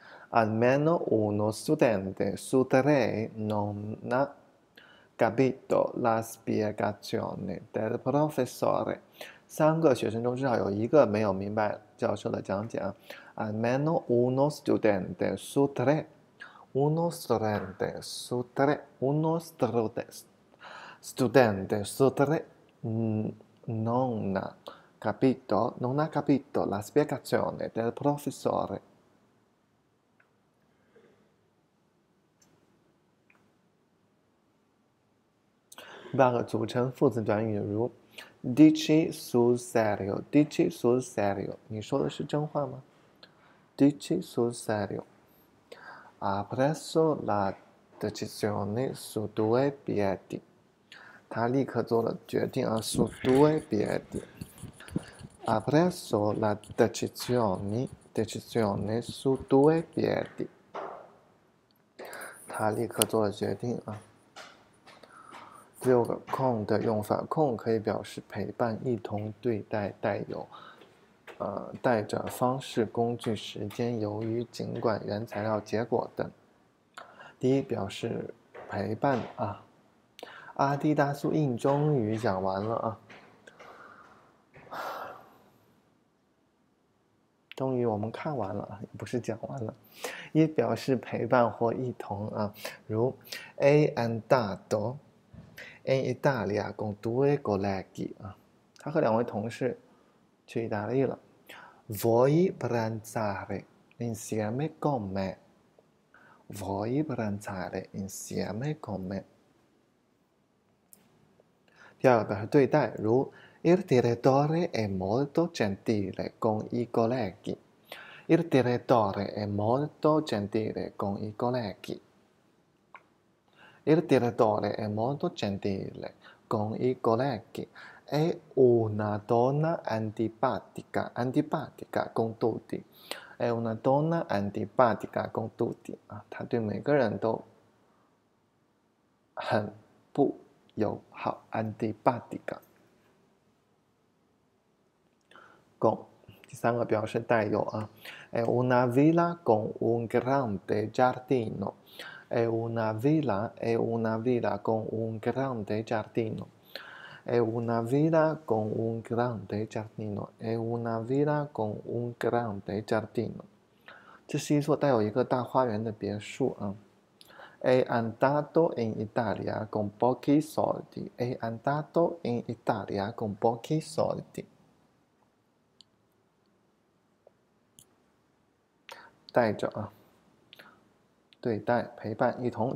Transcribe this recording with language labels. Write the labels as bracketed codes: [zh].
[it] Almeno uno studente su 3 non ha capito la spiegazione del professore. [zh] 3个学生中至少有一个没有明白教授的讲解啊。 [it] Almeno uno studente su tre, uno studente su tre, uno studente su tre non ha capito la spiegazione del professore. [zh] Vago 组成副词短语如。 [it] Dici sul serio, dici sul serio, [zh] 你说的是真话吗？ [it] Dici sul serio, ha preso la decisione su due piedi. [zh] 他立刻做了决定啊， [it] su due piedi. Ha preso la decisione su due piedi. [zh] 他立刻做了决定啊。 6个 con 的用法，con 可以表示陪伴、一同对待、带有，带着方式、工具、时间、由于、尽管、原材料、结果等。第一表示陪伴啊，阿迪达斯印终于讲完了啊，终于我们看完了，不是讲完了，也表示陪伴或一同啊，如 [it] è andato。 In Italia con due colleghi [zh] 啊，他和两位同事去意大利了。 [it] Vuoi pranzare insieme con me? Vuoi pranzare insieme con me? [zh] 第二个表示对待，如 [it] Il direttore è molto gentile con i colleghi. Il direttore è molto gentile con i colleghi. Il direttore è molto gentile con i colleghi. È una donna antipatica, antipatica con tutti. È una donna antipatica con tutti. [zh] 啊，他对每个人都很不友好，antipatica。第三个表示带有啊。 [it] È una villa con un grande giardino。 È una villa con un grande giardino. È una villa con un grande giardino. È una villa con un grande giardino. [zh] 这是一座带有一个大花园的别墅啊。 [it] È andato in Italia con pochi soldi. È andato in Italia con pochi soldi. [zh] 带着啊。对待、陪伴、一同。